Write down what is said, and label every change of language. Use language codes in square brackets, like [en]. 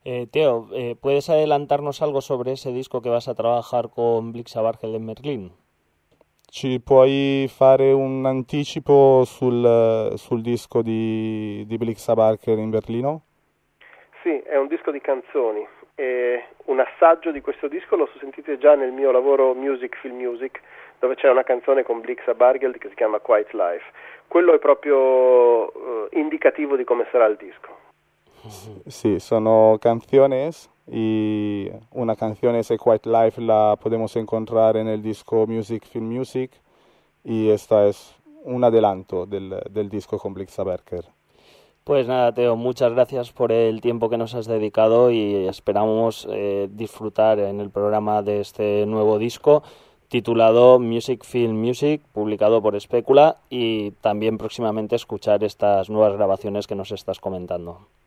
[es] Teo, ¿puedes adelantarnos algo sobre ese disco que vas a trabajar con Blixa Bargel en Berlín? [it] ¿Ci puoi fare un anticipo sul disco di Blixa Bargel in Berlino? Sì, è un disco di canzoni. E un assaggio di questo disco lo sentite già nel mio lavoro Music Film Music, dove c'è una canzone con Blixa Bargel che si chiama Quiet Life. Quello è proprio indicativo di come sarà il disco. Sì, sono canzoni e una canzone se Quiet Life la possiamo encontrare nel disco Music Film Music e questa è un adelanto del disco con Blixa Bargel. [es] Pues nada, Teo, muchas gracias por el tiempo que nos has dedicado y esperamos disfrutar en el programa de este nuevo disco titulado Music Film Music, publicado por Specula, y también próximamente escuchar estas nuevas grabaciones que nos estás comentando.